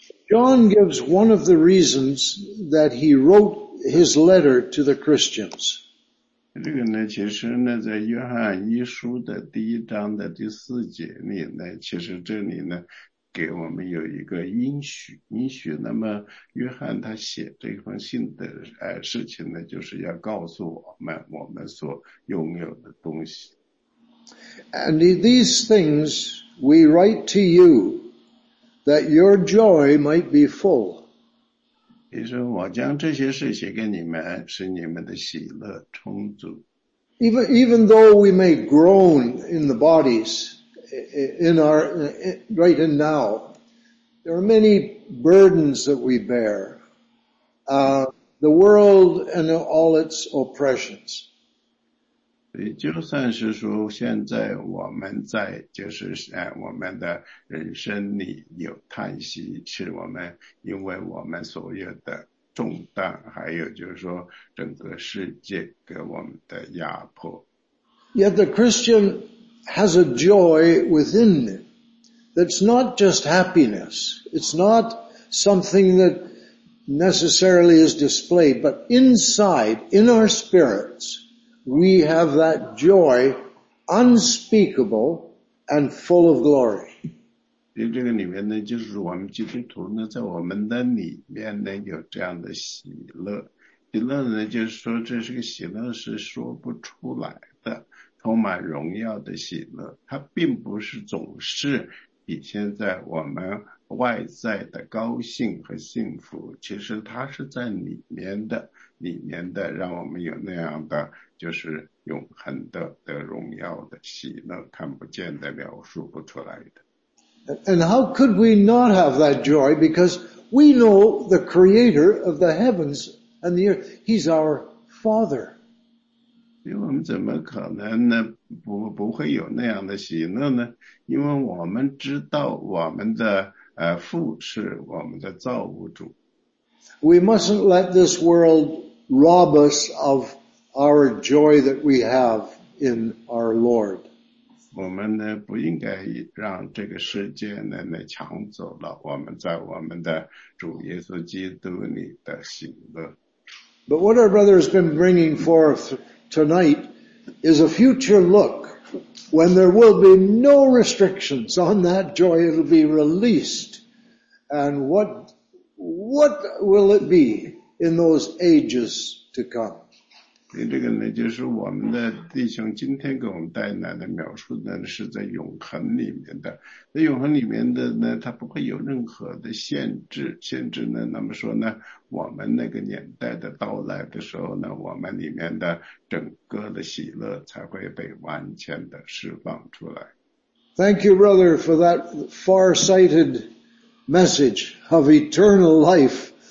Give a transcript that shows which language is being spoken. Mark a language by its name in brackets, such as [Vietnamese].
[English] John gives one of the reasons that he wrote his letter to the Christians. [Chinese] 这个呢，其实呢，在约翰一书的第一章的第四节里呢，其实这里呢。给我们有一个应许，那么约翰他写这封信的事情呢，就是要告诉我们所拥有的东西。 [English] And these things we write to you, that your joy might be full. [Chinese] 也是我将这些事写给你们，使你们的喜乐充足。 [English] Even though we may groan in the bodies. In our right and now, there are many burdens that we bear, the world and all its oppressions. [Chinese] 也就算是说，现在我们在就是我们的人生里有叹息，是我们因为我们所有的重担，还有就是说整个世界给我们的压迫。 [English] Yet the Christian. Has a joy within it that's not just happiness. It's not something that necessarily is displayed, but inside, in our spirits, we have that joy unspeakable and full of glory. [Chinese] 在这个里面呢，就是我们基督徒呢，在我们的里面呢，有这样的喜乐。喜乐呢，就是说这是个喜乐，是说不出来的。充满荣耀的喜乐，它并不是总是体现在我们外在的高兴和幸福，其实它是在里面的，让我们有那样的就是永恒的荣耀的喜乐，看不见的描述不出来的。 [English] And how could we not have that joy? Because we know the Creator of the heavens and the earth. He's our Father. [Chinese] 因为我们怎么可能呢？不会有那样的喜乐呢？因为我们知道我们的父是我们的造物主。 [English] We mustn't let this world rob us of our joy that we have in our Lord. [Chinese] 我们呢不应该让这个世界呢抢走了我们在我们的主耶稣基督里的喜乐。 [English] But what our brother has been bringing forth. Tonight is a future look when there will be no restrictions on that joy. It'll be released. And what will it be in those ages to come? [Chinese] 这个呢，就是我们的弟兄今天给我们带来的描述呢，是在永恒里面的。那永恒里面的呢，它不会有任何的限制呢。那么说呢，我们那个年代的到来的时候呢，我们里面的整个的喜乐才会被完全的释放出来。 [English] Thank you, brother, for that far-sighted message of eternal life.